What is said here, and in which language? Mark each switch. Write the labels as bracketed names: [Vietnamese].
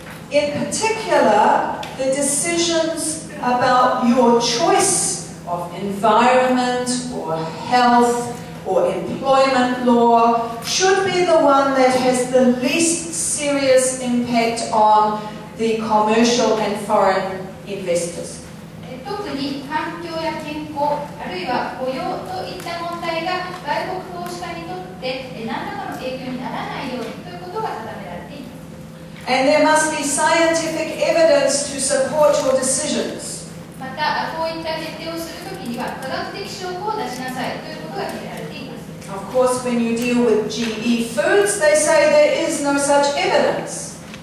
[English] In particular, the decisions about your choice of environment or health or employment law should be the one that has the least serious impact on the commercial and foreign investors. [Japanese] 特に環境や健康、あるいは雇用といった問題が外国投資家にとって何らかの影響にならないようにということが定められています。 [English] And there must be scientific evidence to support your decisions. [Japanese] またこういった決定をするときには科学的証拠を出しなさいということが定められています。 [English] Of course, when you deal with GE foods, they say there is no such evidence.